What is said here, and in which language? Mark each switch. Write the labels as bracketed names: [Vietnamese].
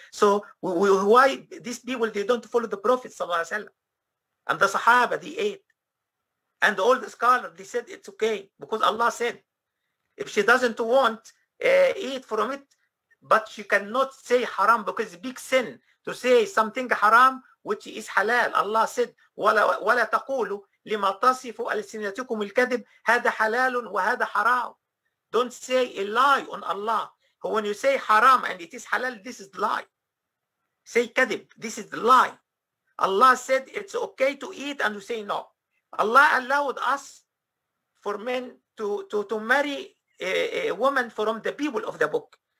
[English] So why these people, they don't follow the Prophet sallallahu alaihi wasallam, and the Sahaba, they ate, and all the scholars, they said it's okay because Allah said, if she doesn't want eat from it, but she cannot say haram because it's a big sin to say something haram which is halal. [Arabic] Allah said, ولا تقولوا لما تصفوا ألسنتكم الكذب هذا حلال وهذا حرام. [English] Don't say a lie on Allah. When you say haram and it is halal, this is lie. Say kadib, this is lie. Allah said it's okay to eat and you say no. Allah allowed us for men to marry a woman from the people of the book.